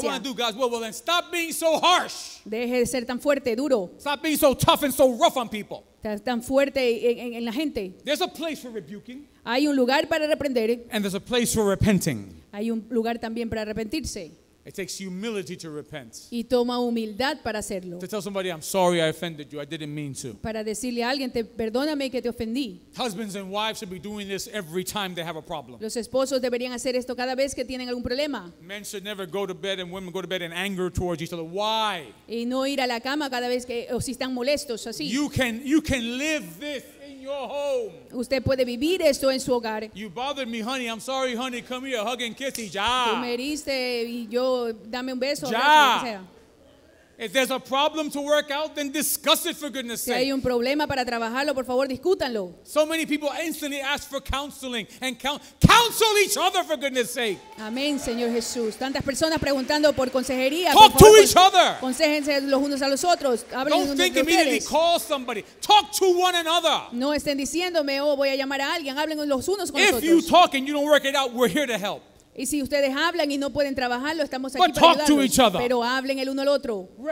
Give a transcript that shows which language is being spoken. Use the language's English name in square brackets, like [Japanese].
[English] I want to do God's will. Well, then stop being so harsh. [Spanish] Deje de ser tan fuerte, duro. [English] Stop being so tough and so rough on people. [Spanish] Tan fuerte en la gente. [English] There's a place for rebuking. [Spanish] Hay un lugar para reprender. [English] And there's a place for repenting. [Spanish] Hay un lugar también para arrepentirse. [English] It takes humility to repent. [Spanish] Y toma humildad para hacerlo. [English] To tell somebody, I'm sorry I offended you. I didn't mean to. [Spanish] Para decirle a alguien, perdóname que te ofendí. [English] Husbands and wives should be doing this every time they have a problem. [Spanish] Los esposos deberían hacer esto cada vez que tienen algún problema. [English] Men should never go to bed and women go to bed in anger towards each other. Why? [Spanish] Y no ir a la cama cada vez que o si están molestos así. [English] You can live this. Your home. [Spanish] Usted puede vivir esto en su hogar. [English] You bothered me, honey. I'm sorry, honey. Come here, hug and kiss me. [Spanish] Ya. Tú me heriste y yo dame un beso. Ya. [English] If there's a problem to work out, then discuss it for goodness sake. [Spanish] Si hay un problema para trabajarlo, por favor, discútanlo. [English] So many people instantly ask for counseling and counsel each other for goodness sake. [Spanish] Amén, Señor Jesús. Tantas personas preguntando por consejería. [English] Talk to each other. [Spanish] Consejense los unos a los otros. [English] Don't think immediately. Call somebody. Talk to one another. [Spanish] No estén diciéndome, oh, voy a llamar a alguien. Hablen los unos con los otros. [English] If you talk and you don't work it out, we're here to help. [Spanish] Y si ustedes hablan y no pueden trabajarlo, estamos aquí para ayudarlos. Pero hablen el uno al otro.